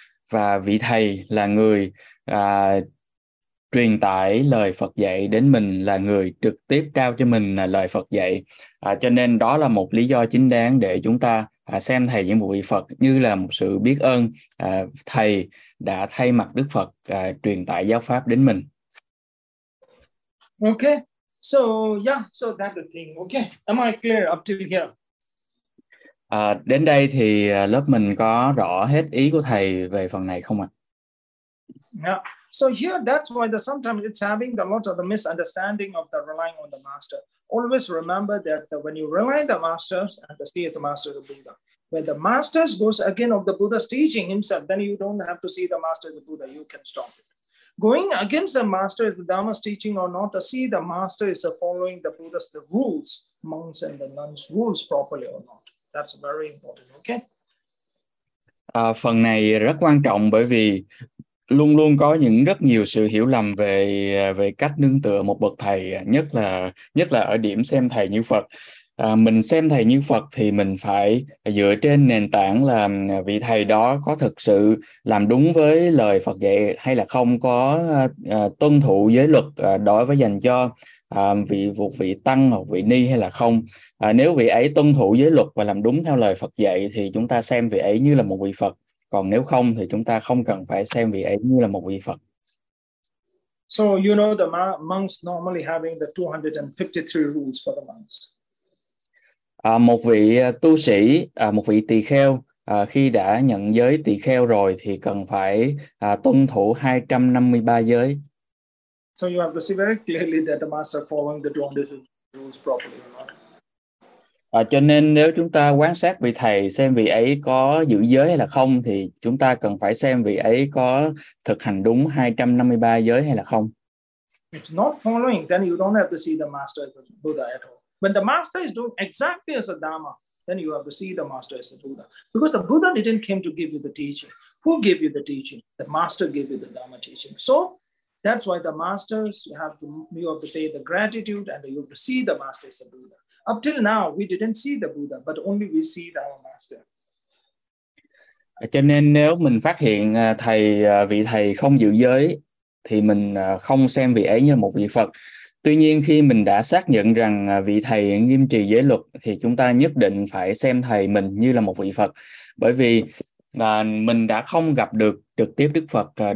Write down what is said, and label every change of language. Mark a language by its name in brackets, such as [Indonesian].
[Vietnamese] Và vị thầy là người truyền tải lời Phật dạy đến mình, là người trực tiếp trao cho mình lời Phật dạy. Cho nên đó là một lý do chính đáng để chúng ta xem thầy như một vị Phật, như là một sự biết ơn thầy đã thay mặt Đức Phật truyền tải giáo pháp đến mình. [English] Okay, so yeah, so that's the thing. Okay, am I clear up to here? [Vietnamese] Đến đây thì lớp mình có rõ hết ý của thầy về phần này không ạ? [English] Yeah, So here, that's why the sometimes it's having a lot of the misunderstanding of the relying on the master. Always remember that when you rely on the masters, and the see as a master of the Buddha, when the masters goes again of the Buddha's teaching himself, then you don't have to see the master of the Buddha, you can stop it. Going against the master is the Dharma's teaching or not, to see the master is following the Buddha's the rules, monks and the nuns' rules properly or not. That's very important, okay? [Vietnamese] Phần này rất quan trọng bởi vì luôn luôn có những rất nhiều sự hiểu lầm về về cách nương tựa một bậc thầy, nhất là ở điểm xem thầy như Phật. Mình xem thầy như Phật thì mình phải dựa trên nền tảng là vị thầy đó có thực sự làm đúng với lời Phật dạy hay là không, có tuân thủ giới luật đối với dành cho vị tăng hoặc vị ni hay là không. Nếu vị ấy tuân thủ giới luật và làm đúng theo lời Phật dạy thì chúng ta xem vị ấy như là một vị Phật. Còn nếu không thì chúng ta không cần phải xem vị ấy như là một vị Phật. [English] So you know the monks normally having the 253 rules for the monks. [Vietnamese] Một vị tu sĩ, một vị tỳ kheo, khi đã nhận giới tỳ kheo rồi thì cần phải tuân thủ 253 giới. [English] So you have to see very clearly that the master following the 253 rules properly or not. [Vietnamese] Cho nên nếu chúng ta quan sát vị thầy xem vị ấy có giữ giới hay là không thì chúng ta cần phải xem vị ấy có thực hành đúng 253 giới hay là không. [English] If not following, then you don't have to see the master as a Buddha at all. When the master is doing exactly as a Dharma, then you have to see the master as a Buddha. Because the Buddha didn't come to give you the teaching. Who gave you the teaching? The master gave you the Dharma teaching. So that's why the masters, you have to pay the gratitude and you have to see the master as a Buddha. Up till now, we didn't see the Buddha, but only we see our master. [Vietnamese] Cho nên nếu mình phát hiện thầy, vị thầy không giữ giới, thì mình không xem vị ấy như một vị Phật. Tuy nhiên khi mình đã xác nhận rằng vị thầy nghiêm trì giới luật, thì chúng ta nhất định phải xem thầy mình như là một vị Phật. Bởi vì mình đã không gặp được trực tiếp Đức Phật.